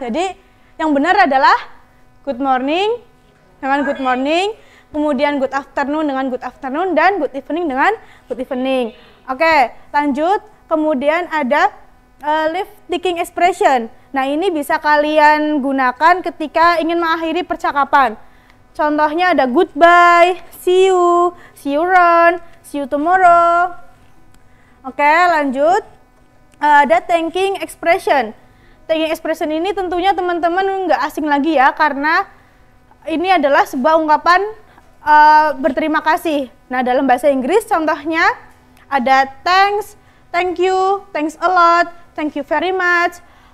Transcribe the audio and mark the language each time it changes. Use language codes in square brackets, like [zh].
[id] Jadi yang benar adalah [en] good morning [id] dengan good morning, kemudian [en] good afternoon [id] dengan good afternoon, dan [en] good evening [id] dengan good evening. Oke, lanjut. Kemudian ada lip-ticking expression. Nah, ini bisa kalian gunakan ketika ingin mengakhiri percakapan. Contohnya ada [en] goodbye, see you run, see you tomorrow. [id] Oke, lanjut. Ada thanking expression. Thanking expression ini tentunya teman-teman nggak asing lagi ya, karena ini adalah sebuah ungkapan berterima kasih. Nah, dalam bahasa Inggris contohnya ada [en] thanks, thank you, thanks a lot, thank you very much.